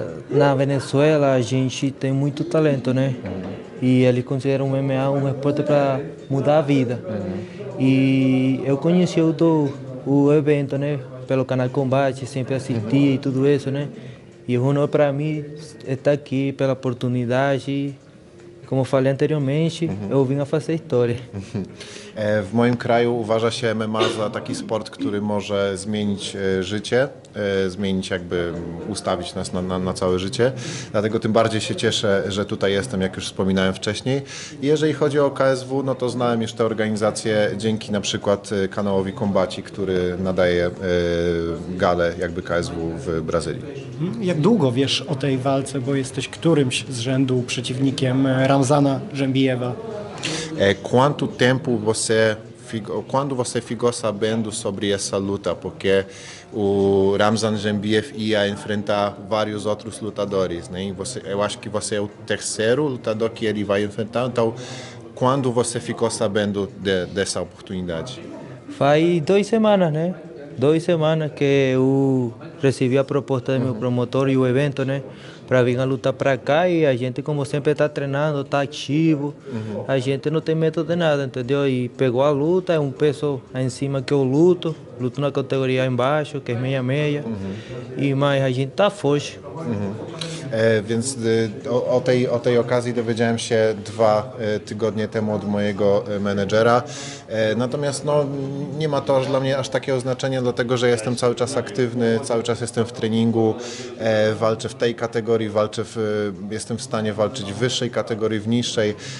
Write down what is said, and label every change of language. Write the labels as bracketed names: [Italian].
[Portuguese] Na Venezuela a gente tem muito talento, né? E ele considera o MMA um esporte para mudar a vida. E eu conheci o evento, né? Pelo canal Combate, sempre assisti e tudo isso, né? E o honor para mim estar aqui pela oportunidade. Como falei anteriormente, eu vim a fazer história. [Polish] W moim kraju uważa się MMA za taki sport, który może zmienić życie, zmienić jakby, ustawić nas na całe życie. Dlatego tym bardziej się cieszę, że tutaj jestem, jak już wspominałem wcześniej. Jeżeli chodzi o KSW, no to znałem już tę organizację dzięki na przykład kanałowi Kombaci, który nadaje galę jakby KSW w Brazylii. Jak długo wiesz o tej walce, bo jesteś którymś z rzędu przeciwnikiem Ramzana Dzembijeva? [Portuguese] Quanto tempo você ficou, quando você ficou sabendo sobre essa luta? Porque o Ramzan Dzembijev ia enfrentar vários outros lutadores, né? Eu acho que você é o terceiro lutador que ele vai enfrentar. Então, quando você ficou sabendo dessa oportunidade? Faz 2 semanas, né? 2 semanas que eu recebi a proposta do meu promotor e o evento, né? Para vir a lutar para cá e a gente, como sempre, está treinando, está ativo. A gente não tem medo de nada, entendeu? E pegou a luta, é um peso em cima que eu luto. Luto na categoria embaixo, que é 66. Mas a gente está forte. [Polish] Więc o tej okazji dowiedziałem się 2 tygodnie temu od mojego menedżera. Natomiast no, nie ma to aż dla mnie aż takiego znaczenia, dlatego że jestem cały czas aktywny, cały czas jestem w treningu, walczę w tej kategorii, jestem w stanie walczyć w wyższej kategorii, w niższej.